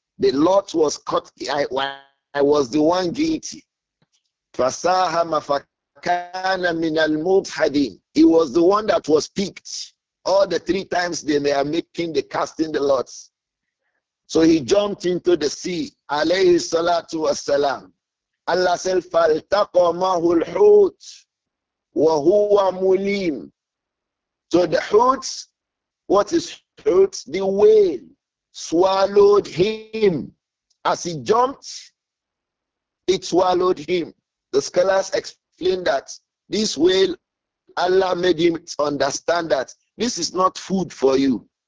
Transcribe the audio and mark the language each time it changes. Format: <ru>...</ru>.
<en>The lot was cut. I was the one guilty.</en> <ar>فَسَاهَمَ فَكَانَ مِنَ الْمُبْحَدِينَ.</ar> <en>He was the one that was picked. All the three times they were making the casting the lots. So he jumped into the sea.</en> <ar>عَلَيْهِ الصَّلَاةُ وَالسَّلَامُ.</ar> <en>Allah said,</en> <ar>فَالْتَقَمَهُ الْحُوتُ وَهُوَ مُلِيمٌ.</ar> <en>So the hoot, what is hurt, the whale swallowed him. As he jumped, it swallowed him. The scholars explain that this whale, Allah made him understand that this is not food for you.</en>